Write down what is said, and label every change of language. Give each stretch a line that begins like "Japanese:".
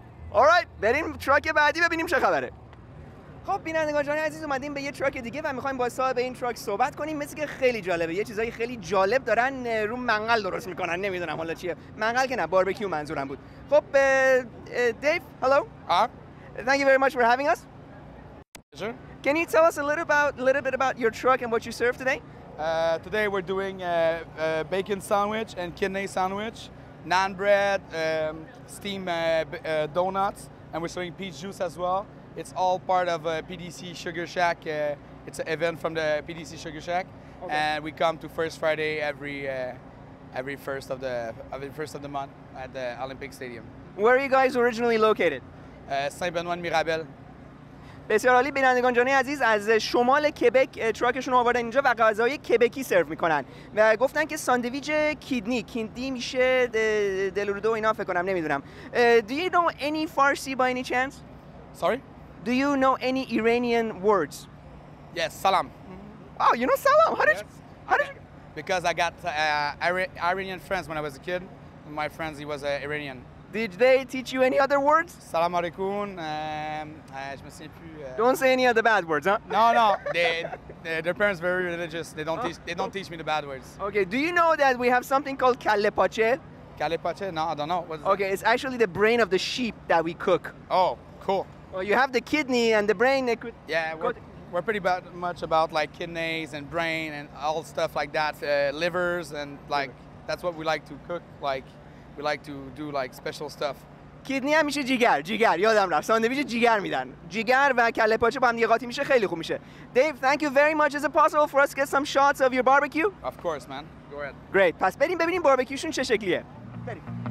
Persian: آرایت بریم تراک بعدی ببینیم چه خبره خب بینندگان جان عزیز اومدیم به یه تراک دیگه و میخوایم با صاحب این تراک صحبت کنیم مثل که خیلی جالبه یه چیزای خیلی جالب دارن رو منقل درست میکنن نمیدونم حالا چیه منقل که نه باربیکیو منظورم بود خب
English: دیو hello Thank you very much for having us Sir Can you tell us a little bit about your truck and what you serve today Today we're doing bacon sandwich and kidney sandwich Naan bread, steam donuts, and we're selling peach juice as well. It's all part of PDC Sugar Shack. It's an event from the PDC Sugar Shack, okay. and we come to First Friday every first of the month at the Olympic Stadium. Where are you guys originally located? Saint Benoît Mirabel.
Persian: بسیار عالی. بینندگان جان عزیز، از شمال کبک تراکشون رو آوردن اینجا و غذاهای کبکی سرو میکنن و گفتن که ساندویج کیدنی، کیدنی میشه دلوردو اینا فکر کنم، نمیدونم.
English: Do you know any Farsi by any chance? Sorry? Do you know any Iranian words? Yes, salam. Oh, you know salam? How did you? How did you? Because I got Iranian friends when I was a kid. My friends, he was Iranian. Did they teach you any other words?
French: Salam alaikum. Je me souviens plus.
English: Don't say any of the bad words, huh? No. Their parents very religious. They don't teach me the bad words. Okay. Do you know that we have something called kalle paçe? Kalle paçe? No, I don't know. Okay. It's actually the brain of the sheep that we cook. Oh, cool. Well, you have the kidney and the brain. We're pretty much about like kidneys and brain and all stuff like that, livers and like that's what we like to cook. Like we like to do like special stuff.
Persian: Kidney میشه جیگر، جیگر یادم رفت. ساندویچ جیگر میدن. جیگر و کله پاچه با هم دیگه قاطی میشه، خیلی خوب میشه.
English: Dave, thank you very much. Is it possible for us to get some shots of your barbecue? Of course, man. Go ahead. Great.
Persian: پس بریم ببینیم باربیکیوشون چه شکلیه. بریم.